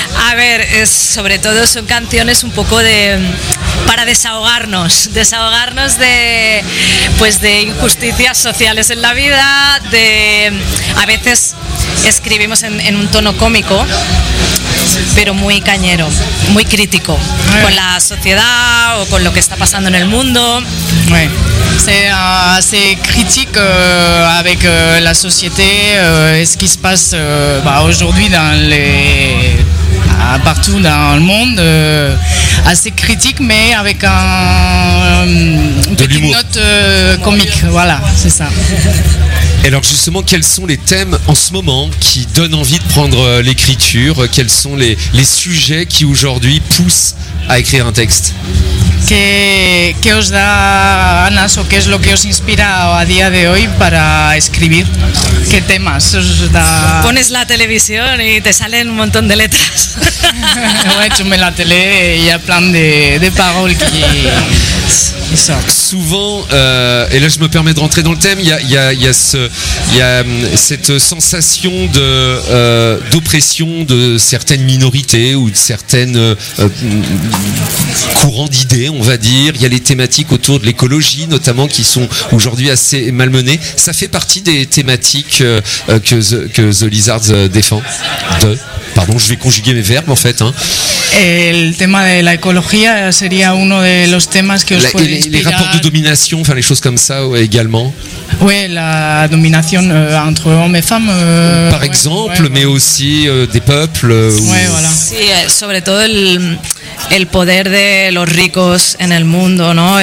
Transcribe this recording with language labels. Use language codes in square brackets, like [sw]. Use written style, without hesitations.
[es] A ver, sobre todo son canciones un poco de... para desahogarnos de, pues de injusticias sociales en la vida, de a veces escribimos en un tono cómico, pero muy cañero, muy crítico con la sociedad o con lo que está pasando en el mundo. [fr] Oui. C'est critique avec la société, ce qui se passe aujourd'hui dans partout dans le monde, assez critique mais avec une petite note comique, voilà, c'est ça. Et alors justement, quels sont les thèmes en ce moment qui donnent envie de prendre l'écriture? Quels sont les sujets qui aujourd'hui poussent à écrire un texte? [es] ¿Qué os da ganas o qué es lo que os inspira a día de hoy para escribir? ¿Qué temas os da? Pones la televisión y te salen un montón de letras. [fr] Ouais, tu mets la télé et il y a plein de paroles qui sortent. Souvent, et là je me permets de rentrer dans le thème, il y a cette sensation d'oppression de certaines minorités ou de certaines courants d'idées, on va dire. Il y a les thématiques autour de l'écologie notamment qui sont aujourd'hui assez malmenées. Ça fait partie des thématiques que The Lizards défend de... Pardon, je vais conjuguer mes verbes en fait. Hein. [es] El tema de la ecología sería uno de los temas que os puede inspirar. [fr] Les rapports de domination, enfin les choses comme ça également. Oui, la domination entre hommes et femmes. Par exemple, mais aussi des peuples. Oui, voilà. [es] Sí, sobre todo el poder de los ricos en el mundo, ¿no?